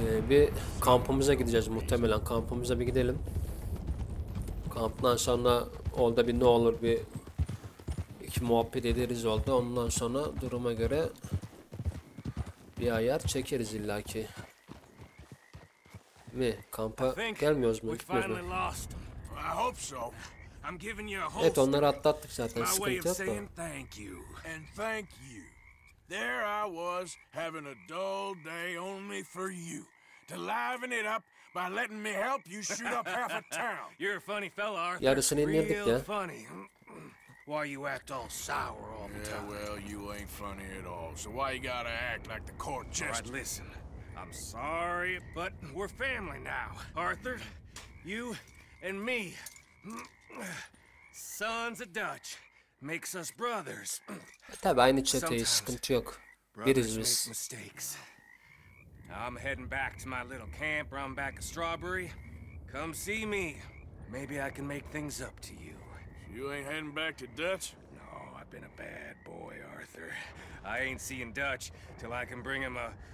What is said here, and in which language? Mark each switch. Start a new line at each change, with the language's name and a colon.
Turkish: Bir kampımıza gideceğiz muhtemelen. Kampımıza bir gidelim. Kamptan sonra orada bir ne olur bir iki muhabbet ederiz orada. Ondan sonra duruma göre bir ayar çekeriz illaki. Mi? Kampa gelmiyoruz mu? Gitmiyoruz mu?
English: I hope so. I'm giving you a host.
Turkish: Evet, onları atlattık zaten.
English: My way of saying thank you and thank you. There I was having a dull day only for you to liven it up by letting me help you shoot up half a town. You're a funny fella, Arthur.
Turkish: Yarısını indirdik ya.
English: Funny. Why you act all sour all the time? Yeah, well, you ain't funny at all. So why you gotta act like the court jester? All right, listen. I'm sorry, but we're family now, Arthur. You. And me, sons of Dutch, makes us brothers.
Turkish: Tabii aynı çeteyiz, sıkıntı yok. Biriz biz.
English: I'm heading back to my little camp round back of Strawberry. Come see me. Maybe I can make things up to you. You ain't heading back to Dutch? No, I've been a bad boy, Arthur. I ain't seeing Dutch till I can bring him a